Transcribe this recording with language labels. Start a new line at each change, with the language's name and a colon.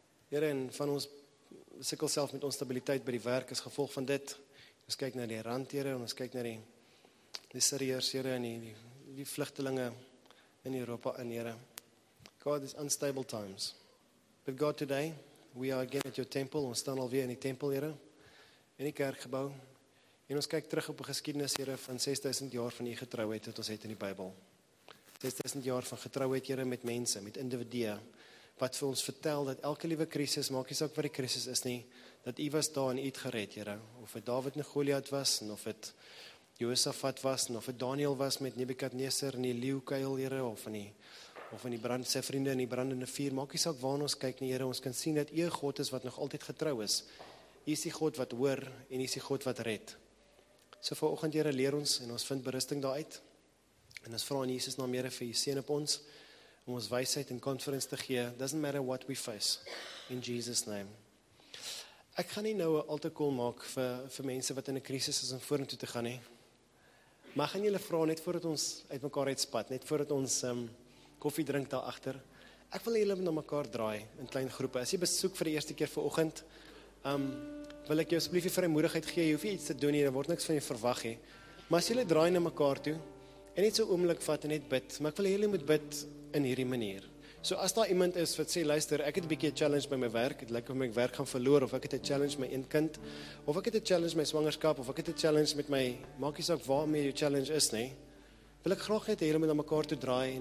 Afrikaans: Here, en van ons sukkel self met onstabiliteit by die werk as gevolg van dit. Ons kyk na die rand, Here, ons kyk na die Syriërs, Here, en die vlugtelinge in Europa in, Here.
English: God, is unstable times. But God, today, we are again at your temple,
Afrikaans: ons staan alweer in die tempel, Here, in die kerkgebou, en ons kyk terug op die geskiedenis, Here, van 6000 jaar van die getrouheid, wat ons het in die Bybel. 6000 jaar van getrouheid, Here, met mense, met individue, wat vir ons vertel, dat elke liewe krisis, maak jy saak wat die krisis is nie, dat u was daar en u het gered, Here, of het David en Goliath was, en of het Josaphat was, en of het Daniel was met Nebukadneser en die leeuwkuil, Here, of in die brand, sy vriende in die brandende vuur, maak nie saak waarna ons kyk nie, Here, ons kan sien dat U God is wat nog altyd getrou is. U is die God wat hoor en U is die God wat red. So vanoggend, Here, leer ons en ons vind berusting daaruit. En ons vra in Jesus naam, Here, vir U seën op ons om ons wysheid en conference te gee.
English: Doesn't matter what we face in Jesus name.
Afrikaans: Ek gaan nie nou 'n altaar call maak vir mense wat in 'n krisis is om vorentoe te gaan nie. Maar gaan julle vra net voordat ons uit mekaar uitspat, net voordat ons koffie drink daar agter. Ek wil julle na mekaar draai in klein groepe. As jy besoek vir die eerste keer vanoggend, wil ek jou asseblief die vrymoedigheid gee. Jy hoef nie iets te doen nie, daar word niks van jou verwag nie. Maar as julle draai na mekaar toe en net so oomblik vat en net bid, maar ek wil julle moet bid in hierdie manier. So as daar iemand is wat sê, luister, ek het 'n bietjie 'n challenge by my werk, dit lyk of my werk gaan verloor, of ek het 'n challenge met my een kind, of ek het 'n challenge met my swangerskap, of ek het 'n challenge met my, maak nie saak waarmee jou challenge is nie, wil ek graag net hê julle moet na mekaar toe draai.